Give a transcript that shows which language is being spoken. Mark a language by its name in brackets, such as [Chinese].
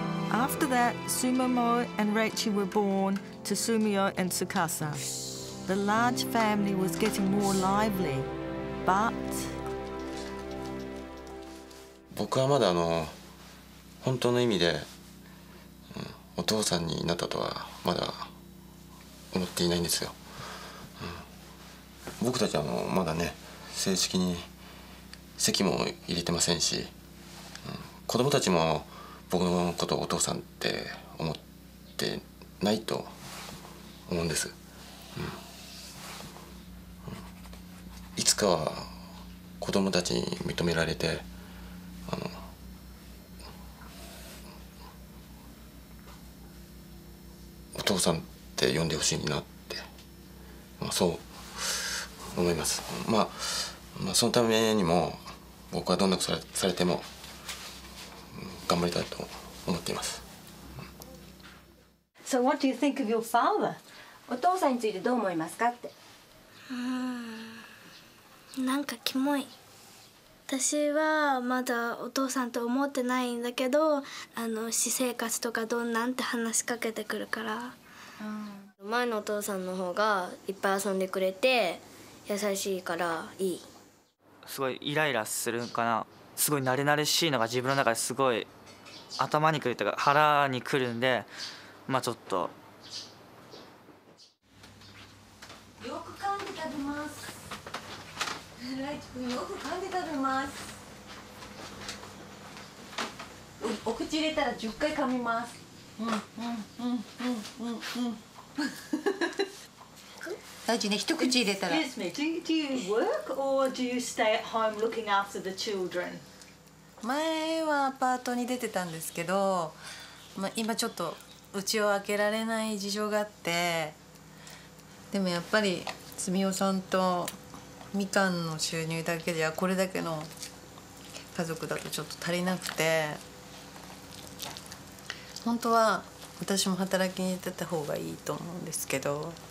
[English] After that, Sumimo and Reichi were born to Sumio and Tsukasa. The large family was getting more lively, but [Japanese] 僕はまだ本当の意味で、お父さんになったとはまだ思っていないんですよ。僕たちはまだね、正式に籍も入れてませんし、子供たちも僕のことをお父さんって思ってないと思うんです。いつかは子供たちに認められて、お父さんって呼んでほしいなって、まあ、そう思います。まあ、そのためにも僕はどんなことされても頑張りたいと思っています。 [English] So what do you think of your father? [Japanese] お父さんについてどう思いますかって。なんかキモい。私はまだお父さんと思ってないんだけど、私生活とかどんなんて話しかけてくるから。前のお父さんの方がいっぱい遊んでくれて優しいからいい。すごいイライラするかな。すごい慣れ慣れしいのが自分の中ですごい頭にくるというか腹にくるんで、まあちょっと。よく噛んで食べます。ライチ君よく噛んで食べます。お口入れたら10回噛みます。ライチね、一口入れたら。 [English] Excuse me, do you work or do you stay at home looking after the children? [Japanese] 前はアパートに出てたんですけど、まあ、今ちょっと家を開けられない事情があって、でもやっぱりつみおさんとみかんの収入だけじゃこれだけの家族だとちょっと足りなくて、本当は私も働きに出た方がいいと思うんですけど、